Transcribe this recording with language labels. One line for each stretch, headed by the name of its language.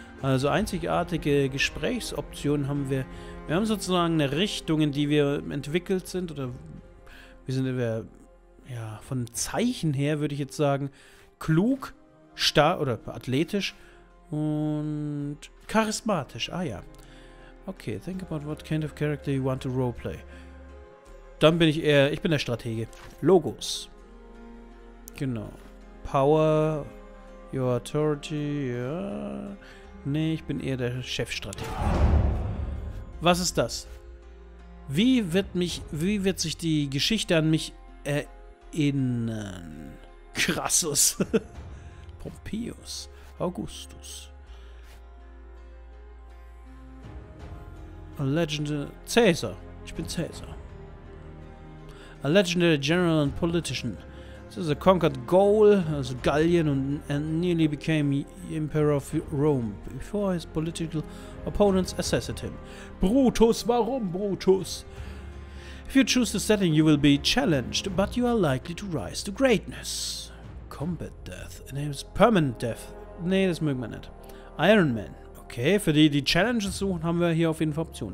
German: Also einzigartige Gesprächsoptionen haben wir. Wir haben sozusagen eine Richtung, in die wir entwickelt sind. Oder wir sind über, ja, von Zeichen her würde ich jetzt sagen, klug, stark oder athletisch und charismatisch. Ah ja.
English: Okay, think about what kind of character you want to roleplay.
German: Dann bin ich eher, ich bin der Stratege.
English: Logos. Genau. Power, your authority, ja.
German: Nee, ich bin eher der Chefstratege. Was ist das? Wie wird sich die Geschichte an mich erinnern? Crassus. Pompeius. Augustus.
English: A legendary... Caesar.
German: Ich bin Caesar.
English: A legendary general and politician. This is a conquered Gaul,
German: also Gallien,
English: and nearly became Emperor of Rome before his political opponents assassinated him.
German: Brutus, warum Brutus?
English: If you choose the setting, you will be challenged, but you are likely to rise to greatness. Combat death. Enables permanent death.
German: Nee, das mögen wir nicht.
English: Iron Man.
German: Okay, für die, die Challenges suchen, haben wir hier auf jeden Fall Optionen.